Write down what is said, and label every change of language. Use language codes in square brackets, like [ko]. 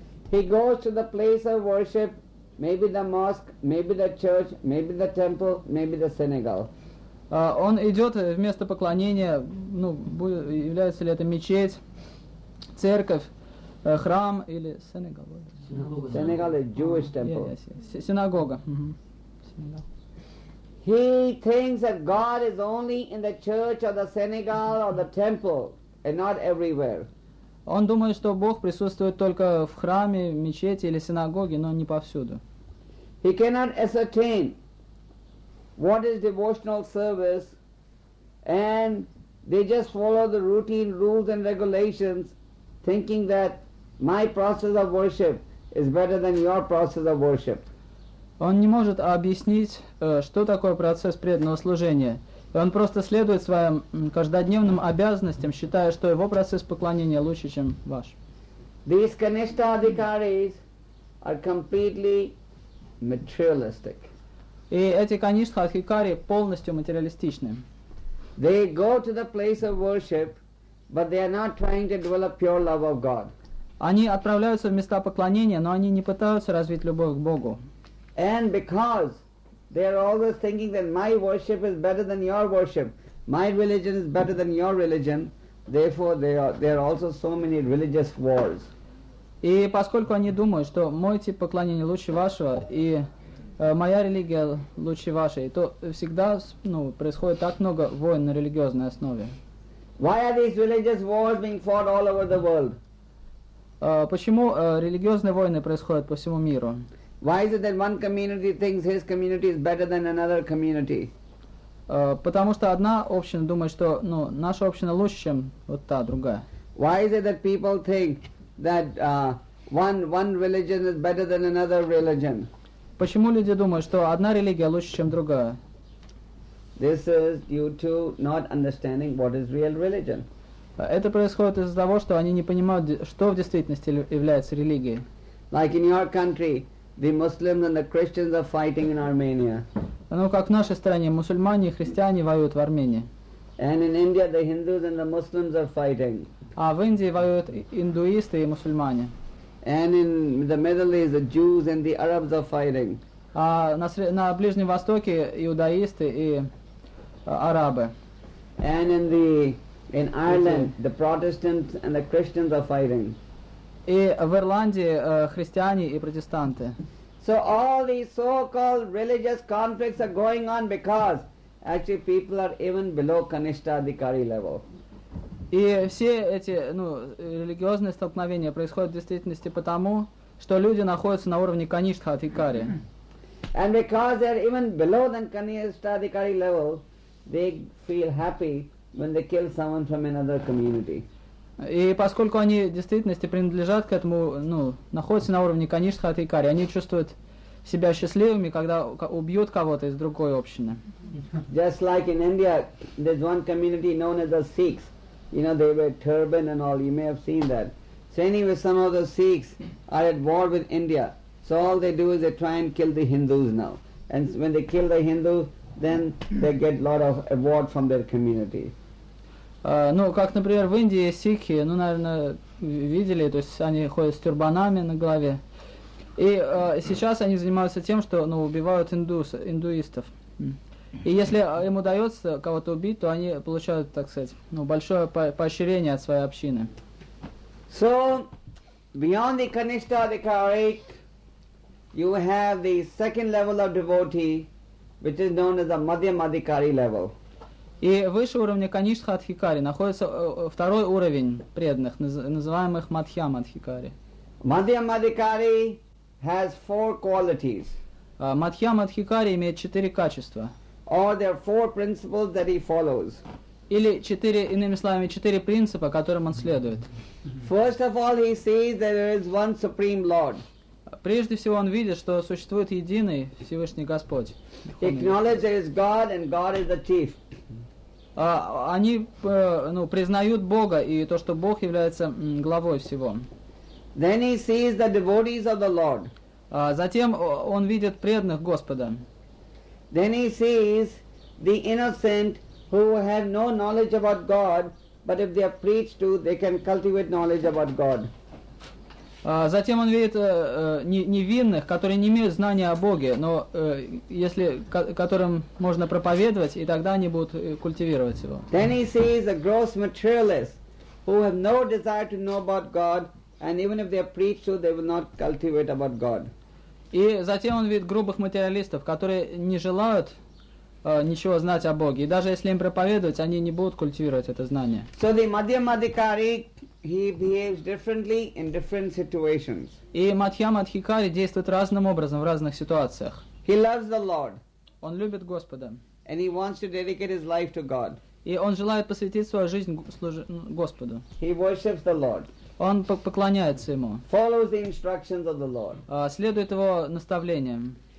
[en] He goes to the place of worship, maybe the mosque, maybe the church, maybe the temple, maybe the synagogue. [ru] Он идет в место поклонения, ну, является ли это мечеть, церковь, храм или синагога? Синагога. Синагога, [en] Jewish temple. [ru] Синагога. [en] He thinks that God is only in the church or the synagogue or the temple and not everywhere. [ru] Он думает, что Бог присутствует только в храме, мечети или синагоге, но не повсюду. [en] He cannot ascertain what is devotional service, and they just follow the routine rules and regulations, thinking that my process of worship is better than your process of worship. [ru] Он не может объяснить, что такое процесс преданного служения. Он просто следует своим каждодневным обязанностям, считая, что его процесс поклонения лучше, чем ваш. [en] These Kanishtha Adhikaris are completely materialistic. [ru] И эти Kanishtha Adhikari полностью материалистичны. [en] They go to the place of worship, but they are not trying to develop pure love of God. [ru] Они отправляются в места поклонения, но они не пытаются развить любовь к Богу. [en] And because they are always thinking that my worship is better than your worship, my religion is better than your religion, therefore there are also so many religious wars. [ru] И поскольку они думают, что мой тип поклонения лучше вашего и моя религия лучше вашей, то всегда, ну, происходит так много войн на религиозной основе. [en] Why are these religious wars being fought all over the world? [ru] Почему религиозные войны происходят по всему миру? [en] Why is it that one community thinks his community is better than another community? [ru] Потому что одна община думает, что, ну, наша община лучше, чем вот та другая. [en] Why is it that people think that one religion is better than another religion? [ru] Почему люди думают, что одна религия лучше, чем другая? [en] This is due to not understanding what is real religion. [ru] Это происходит из-за того, что они не понимают, что в действительности является религией. [en] Like in your country, the Muslims and the Christians are fighting in Armenia. [ru] Ну, как в нашей стране, мусульмане и христиане воюют в Армении. [en] And in India, the Hindus and the Muslims are fighting. [ru] А в Индии воюют индуисты и мусульмане. [en] And in the Middle East, the Jews and the Arabs are fighting. [ru] А на Ближнем Востоке иудаисты и арабы. [en] And in Ireland, the Protestants and the Christians are fighting. [ru] И в Ирландии христиане и протестанты. [en] So all these so-called religious conflicts are going on because actually people are even below Kanishtha Adhikari level. [ru] И все эти, ну, религиозные столкновения происходят в действительности потому, что люди находятся на уровне Kanishtha Adhikari. [en] And because they are even below than Kanishtha Adhikari level, they feel happy when they kill someone from another community. [ru] И поскольку они в действительности принадлежат к этому, ну, находятся на уровне Kanishtha Adhikari, они чувствуют себя счастливыми, когда убьют кого-то из другой общины. [en] Just like in India, there's one community known as the Sikhs. You know, they wear turban and all, you may have seen that. So anyway, some of the Sikhs are at war with India. So all they do is they try and kill the Hindus now. And when they kill the Hindus, then they get a lot of award from their community. [ru] Ну, как, например, в Индии сикхи, ну, наверное, видели, то есть они ходят с тюрбанами на голове. И сейчас они занимаются тем, что, ну, убивают индуистов. И если им удается кого-то убить, то они получают, так сказать, ну, большое поощрение от своей общины. [en] So, beyond the Kanishtha Adhikarik, you have the second level of devotee, which is known as the Madhyam Adhikari level. [ru] И выше уровня Каништа Адхикари находится второй уровень преданных, называемых Мадхьям Адхикари. [en] Мадхьям Адхикари has four qualities. [ru] Мадхьям Адхикари имеет четыре качества. [en] Or there are four principles that he follows. [ru] Или четыре, иными словами, четыре принципа, которым он следует. [en] First of all, he sees that there is one Supreme Lord. [ru] Прежде всего он видит, что существует единый Всевышний Господь. [en] He acknowledges there is God and God is the chief. [ru] Они признают Бога и то, что Бог является главой всего. [en] Then he sees the devotees of the Lord. [ru] Затем он видит преданных Господа. [en] Then he sees the innocent who have no knowledge about God, but if they are preached to, they can cultivate knowledge about God. [ru] Затем он видит невинных, которые не имеют знания о Боге, но которым можно проповедовать, и тогда они будут культивировать его. [en] Then he sees a gross materialist who have no desire to know about God, and even if they are preached to, they will not cultivate about God. [ru] И затем он видит грубых материалистов, которые не желают ничего знать о Боге. И даже если им проповедовать, они не будут культивировать это знание. [en] So the Madhyam Adhikari, he behaves differently in different situations. [ru] И Мадхьям Адхикари действует разным образом в разных ситуациях. [en] He loves the Lord. [ru] Он любит Господа. [en] And he wants to dedicate his life to God. [ru] И он желает посвятить свою жизнь Господу. [en] He worships the Lord. [ru] Он поклоняется ему. [en] Follows the instructions of the Lord. [ru] Следует его наставлениям.